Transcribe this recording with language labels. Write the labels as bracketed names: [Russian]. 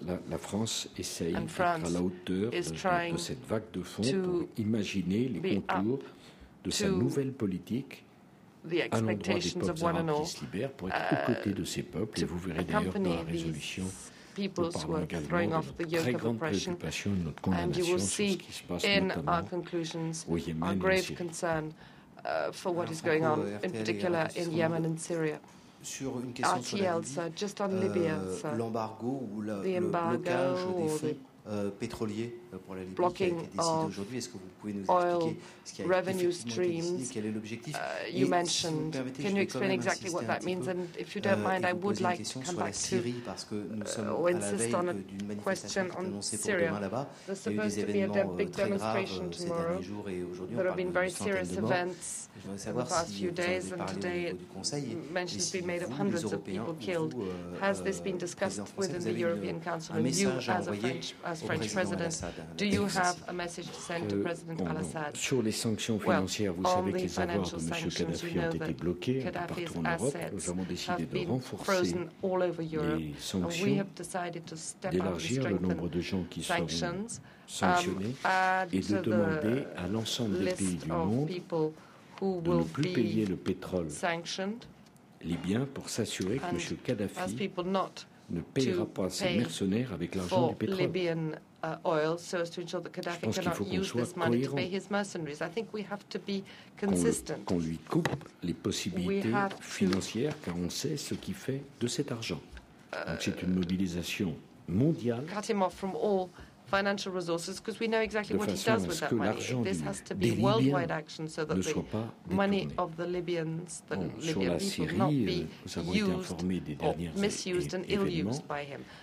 [French] La France essaye d'être à la hauteur de cette vague de fond pour imaginer les contours de sa nouvelle politique à l'endroit des peuples arabes qui se libèrent pour être aux côtés de ces peuples. Et vous verrez d'ailleurs dans la résolution, nous parlons également de notre très grande préoccupation et de notre condamnation sur ce qui se passe notamment au Yémen et en Syrie. [English] For what is going on, in particular in Yemen and Syria. [French] Sur une question RTL, sur la Libye, [English] sir, just on Libya, sir. [French] L'embargo ou le blocage des fonds pétroliers pour la Libye qui a été décidé aujourd'hui, est-ce que vous pouvez nous expliquer ce qui a été décidé, quel est l'objectif? [English] Can you explain exactly what that means? And if you don't mind, I would like to come back to or insist on a question on Syria. There's supposed to be a big demonstration tomorrow. There have been very serious events in the past few days, and today mention has been made of hundreds of people killed. Has this been discussed within the European Council and you as French president? Do you have a message to send to President Al-Assad? [French] Sur les sanctions financières, vous savez que les avoirs de M. Kadhafi ont été bloqués partout en Europe. Nous avons décidé de renforcer les sanctions, d'élargir le nombre de gens qui seront sanctionnés et de demander à l'ensemble des pays du monde de ne plus payer le pétrole libyen pour s'assurer que M. Kadhafi ne payera pas ses mercenaires avec l'argent du pétrole. [English] Oil so as to ensure that Gaddafi cannot use this money to pay his mercenaries. I think we have to be consistent. [French] Qu'on lui coupe les possibilités financières, car on sait ce qu'il fait de cet argent. Donc c'est une mobilisation mondiale. [English] Cut him off from all financial resources, because we know exactly what he does with that money. This has to be worldwide action so that the money of the Libyans, the Libyan people, not be used or misused and ill-used by him.